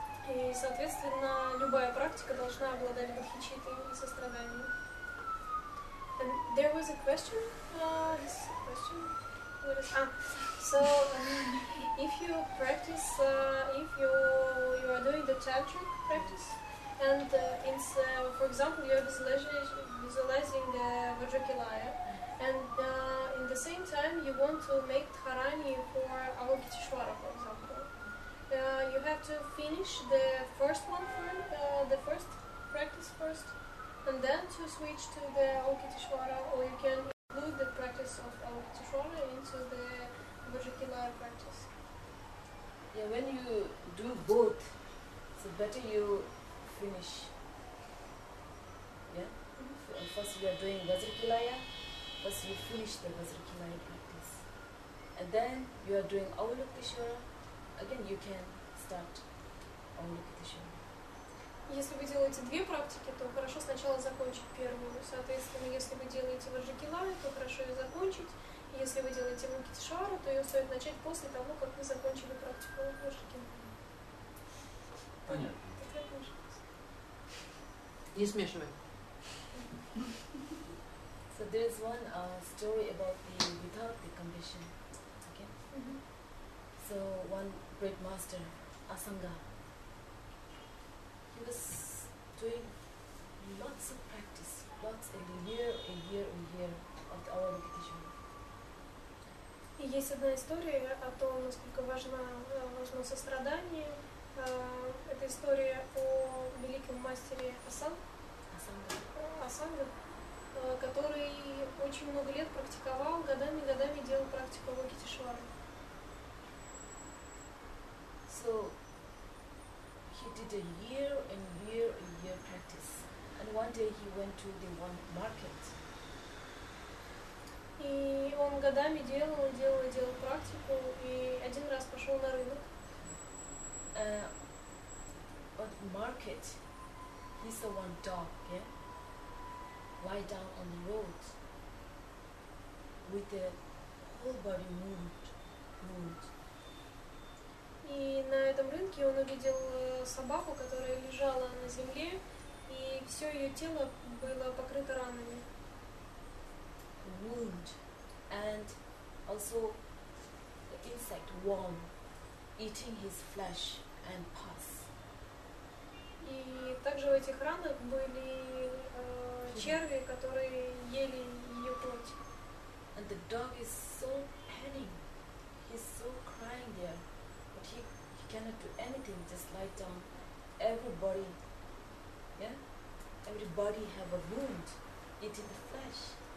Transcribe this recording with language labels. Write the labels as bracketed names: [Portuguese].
[Russian] И, соответственно, любая практика должна обладать бодхичиттой и состраданием. [English] And there was a question. This is a question. What is, if you practice, if you are doing the tantric practice, and for example, you are visualizing the Vajrakilaya, and in the same time you want to make dharani for Avalokiteshvara, for example, you have to finish the first one the first practice first. And then to switch to the Avalokiteshvara, or you can include the practice of Avalokiteshvara into the Vajrakilaya practice. Yeah, when you do both, so better you finish. Yeah? Mm-hmm. First you are doing Vajrakilaya, first you finish the Vajrakilaya practice. And then you are doing Avalokiteshvara, again you can start Avalokiteshvara. [Russian] Если вы делаете две практики, то хорошо сначала закончить первую. Соответственно, если вы делаете Ваджакилаю, то хорошо ее закончить. Если вы делаете Мукитишвару, то ее стоит начать после того, как вы закончили практику Ваджакилаю. Понятно. Не смешиваем. [English] So there is one story about the without the condition. Okay? Mm-hmm. So one great master, Asanga, he was doing lots of practice, lots in the year and year and year of the Avalokiteshvara. [Russian] И есть одна история о том, насколько важно сострадание. Это история о великом мастере Асанга. Асанга. Асанга. который очень много лет практиковал, годами-годами делал практику Авалокитешвары. [English] So he did a year and year and year practice. And one day he went to the one market. [Russian] И он годами делал, делал, делал практику, и один раз пошел на рынок. [English] At market, he saw one dog, yeah, lie down on the road with the whole body moved. [Russian] И на этом рынке он увидел собаку, которая лежала на земле, и все ее тело было покрыто ранами. [English] Wound, and also the insect worm eating his flesh and pus. [Russian] И также в этих ранах были черви, которые ели ее плоть. [English] And the dog is so panting, he's so crying there, but he cannot do anything, just lie down. Everybody, yeah, everybody have a wound, eating the flesh.